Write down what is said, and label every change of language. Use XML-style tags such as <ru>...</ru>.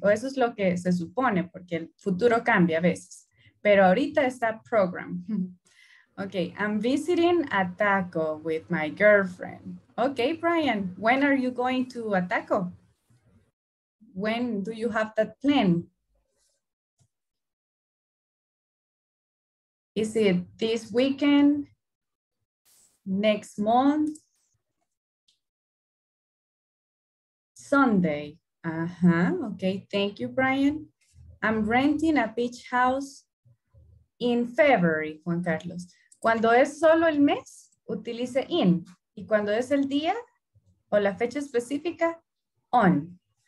<es>O eso es lo que se supone, porque el futuro cambia a veces. Pero ahorita está program.</es> <en>Okay, I'm visiting a taco with my girlfriend. Okay, Brian, when are you going to a taco? When do you have that plan? Is it this weekend? Next month? Sunday. Uh-huh. Okay, thank you, Brian. I'm renting a beach house in February, Juan Carlos.</en> <es>Cuando es solo el mes, utilice in. Y cuando es el día o la fecha específica, on.</es>